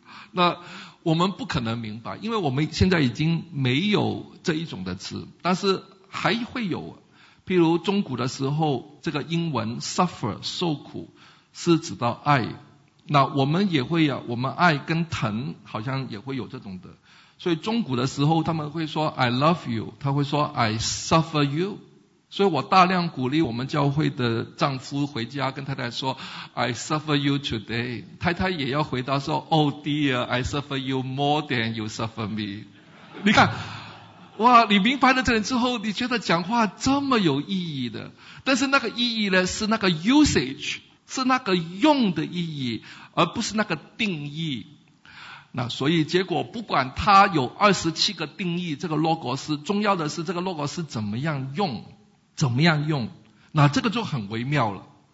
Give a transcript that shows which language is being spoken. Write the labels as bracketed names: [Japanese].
[Chinese] 那我们不可能明白，因为我们现在已经没有这一种的词，但是还会有。譬如中古的时候，这个英文 suffer 受苦是指到爱，那我们也会啊，我们爱跟疼好像也会有这种的。所以中古的时候他们会说 [English] I love you， [Chinese] 他会说 [English] I suffer you。 [Chinese] 所以我大量鼓励我们教会的丈夫回家跟太太说 [English] I suffer you today， [Chinese] 太太也要回答说 [English] Oh dear I suffer you more than you suffer me。 [Chinese] 你看哇，你明白了这点之后，你觉得讲话这么有意义的。但是那个意义呢，是那个 usage， 是那个用的意义，而不是那个定义。那所以结果不管它有27个定义，这个 logos 重要的是这个 logos 怎么样用，怎么样用，那这个就很微妙了。